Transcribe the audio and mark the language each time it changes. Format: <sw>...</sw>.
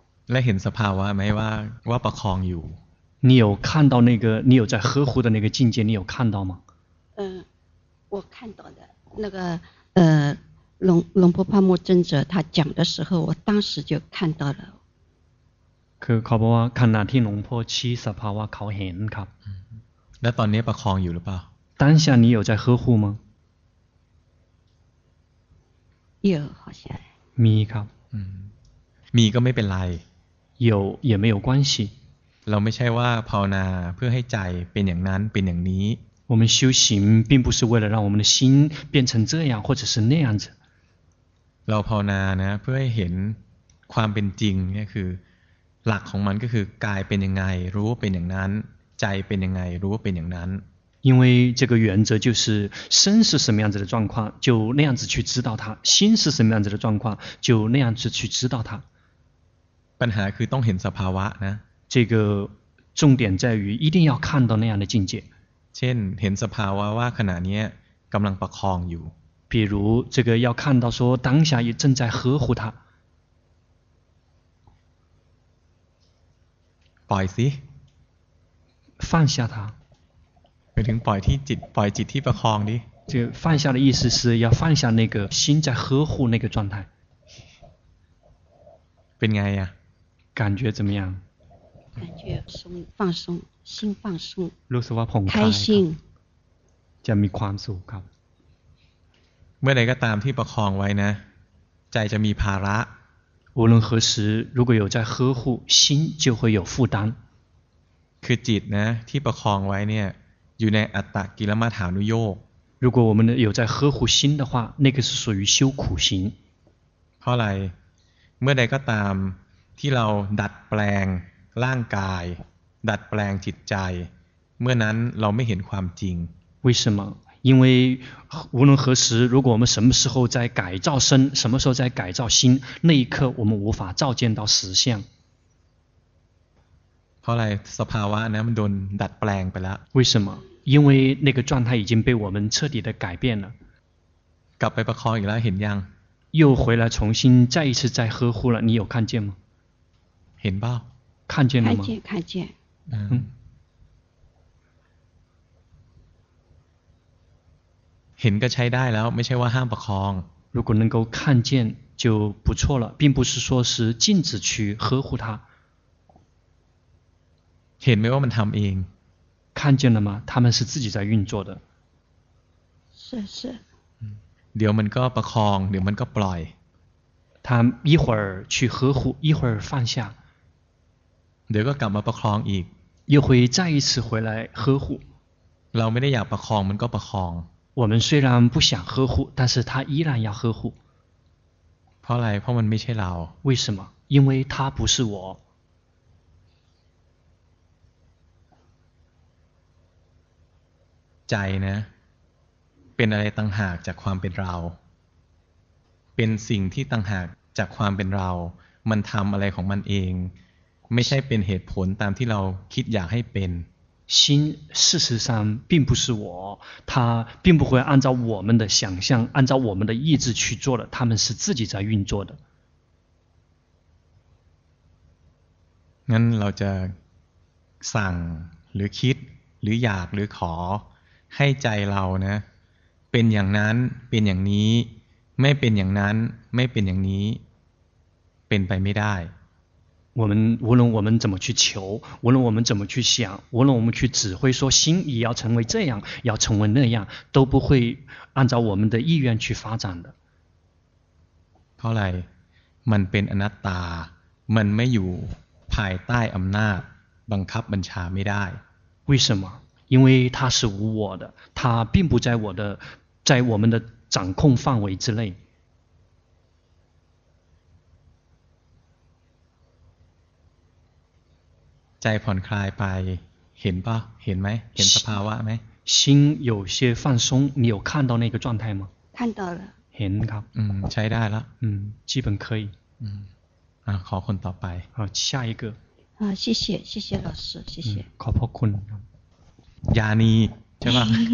<th>และเห็นสภาวะไหมว่าประคองอยู่</th> <zh>你有看到那个你有在呵护的那个境界你有看到吗我看到的那个龙婆帕木尊者他讲的时候我当时就看到了</zh> <th>คือเขาบอกว่าขณะที่หลวงพ่อชี้สภาวะเขาเห็นครับ และตอนนี้ประคองอยู่หรือเปล่า</th> <zh>当下你有在呵护吗有好像</zh> <th>มีครับ มีก็ไม่เป็นไร</th> <zh>有也没有关系</zh> <th>เราไม่ใช่ว่าภาวนาเพื่อให้ใจเป็นอย่างนั้นเป็นอย่างนี้</th> <zh>我们修行并不是为了让我们的心变成这样或者是那样子。</zh> <th>เ ราภาวนานะเพื่อให้เห็นความเป็นจริงเนี่ยคือหลักของมันก็คือกายเป็นยังไงรู้ว่าเป็นอย่างนั้นใจเป็นยังไงรู้ว่าเป็นอย่างนั้น</th> <zh>因为这个原则就是身是什么样子的状况就那样子去知道它心是什么样子的状况就那样子去知道它</zh> <th>ปัญหาคือต้องเห็นสภาวะนะ</th> <zh>这个重点在于一定要看到那样的境界</zh> <th>นเห็นสภาวะว่าขณะนี้กำลังประคองอยู่</th> <zh>比如这个要看到说当下也正在呵护他</zh> <th>ปล่อยสิ</th> <zh>放下他</zh> <th>ไปถึงปล่อยที่จิตปล่อยจิตที่ประคองดิ</th> <zh>就放下的意思是要放下那个心在呵护那个状态</zh> <th>เป็นไงอ่ะ</th> <zh>感觉怎么样感觉松放松心放松</zh> <th>รู้สึกว่าผ่องคล าย จะมีความสุขครับ เมื่อใดก็ตามที่ประคองไว้นะใจจะมีภาระ</th> <zh>无论何时如果有在呵护心就会有负担</zh> <th>คือจิตนะที่ประคองไว้เนี่ยอยู่ในอัตตกิลมัฏฐานุโยค</th> <zh>如果我们有在呵护心的话那个是属于修苦行</zh> <th>เพราะอะไรเมื่อใดก็ตามที่เราดัดแปลงร่างกายดัดแปลงจิตใจเมื่อนั้นเราไม่เห็นความจริง</th> <zh>为什么因为无论何时如果我们什么时候在改造身什么时候在改造心那一刻我们无法照见到实相</zh> <th>เพราะอะไรสภาวะนั้นมันโดนดัดแปลงไปแล้</th> <zh>ว为什么因为那个状态已经被我们彻底的改变了</zh> <th>กลับไปประคองอีกแล้วเห็นยัง</th> <zh>又回来重新再一次再呵护了你有看见吗</zh> <th>เห็นเปล่า</th> <zh>看见了吗看见</zh> <th>เห็นก็ใช้ได้แล้วไม่ใช่ว่าห้ามประคอง</th> <zh>如果能够看见就不错了并不是说是禁止去呵护它</zh> <th>เห็นไหมว่ามันทำเอง</th> <zh>看见了吗他们是自己在运作的是是</zh> <th>เดี๋ยวมันก็ประคองเดี๋ยวมันก็ปล่อย</th> <zh>他一会儿去呵护一会儿放下</zh> <th>เดี๋ยวก็กลับมาประคองอีก</th> <zh>又会再一次回来呵护</zh> <th>เราไม่ได้อยากประคองมันก็ประคอง</th> <zh>我们虽然不想呵护但是他依然要呵护</zh> <th>เพราะอะไรเพราะมันไม่ใช่เรา</th> <zh>为什么因为他不是我</zh> <th>ใจนะเป็นอะไรต่างหากจากความเป็นเราเป็นสิ่งที่ต่างหากจากความเป็นเรามันทำอะไรของมันเองไม่ใช่เป็นเหตุผลตามที่เราคิดอยากให้เป็น</th> <zh>心事实上并不是我它并不会按照我们的想象按照我们的意志去做的它们是自己在运作的</zh> <th>งั้นเราจะสั่งหรือคิดหรืออยากหรือขอให้ใจเรานะเป็นอย่างนั้นเป็นอย่างนี้ไม่เป็นอย่างนั้นไม่เป็นอย่างนี้เป็นไปไม่ได้</th> <zh>我们无论我们怎么去求无论我们怎么去想无论我们去指挥说心也要成为这样要成为那样都不会按照我们的意愿去发展的</zh> <th>เพราะอะไรมันเป็นอนัตตามันไม่อยู่ภายใต้อำนาจบังคับบัญชาไม่ได้</th> <zh>为什么因为它是无我的它并不在我的在我们的掌控范围之内</zh> <th>ใจผ่อนคลายไปเห็นป่ะเห็นไหมเห็นสภาวะไหม</th> <zh>心有些放松你有看到那个状态吗看到了</zh> <th>เห็นครับ ใช้ได้แล้ว</th> <zh>基本可以</zh> <th>ขอคนต่อไป</th> <zh>好下一个谢谢谢谢老师谢谢</zh> <th>ขอบพระคุณ ยานีใช่ป่ะ</th>